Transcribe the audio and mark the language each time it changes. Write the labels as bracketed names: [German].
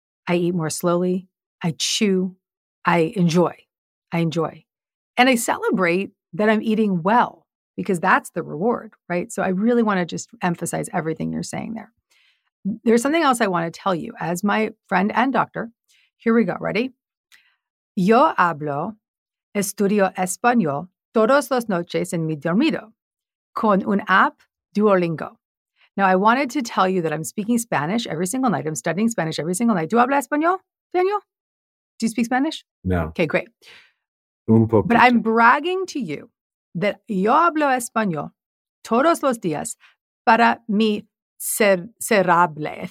[English] I eat more slowly. I chew. I enjoy. And I celebrate that I'm eating well because that's the reward, right? So I really want to just emphasize everything you're saying there. There's something else I want to tell you as my friend and doctor. Here we go. Ready? [Spanish] Yo hablo, estudio español todos los noches en mi dormido con un app Duolingo. [English] Now, I wanted to tell you that I'm speaking Spanish every single night. I'm studying Spanish every single night. Do you [Spanish] habla español, [English] Daniel? Do you speak Spanish? No. Okay, great. [Spanish] Un poco. [English] But I'm bragging to you that [Spanish] yo hablo español todos los días para mi cerebro.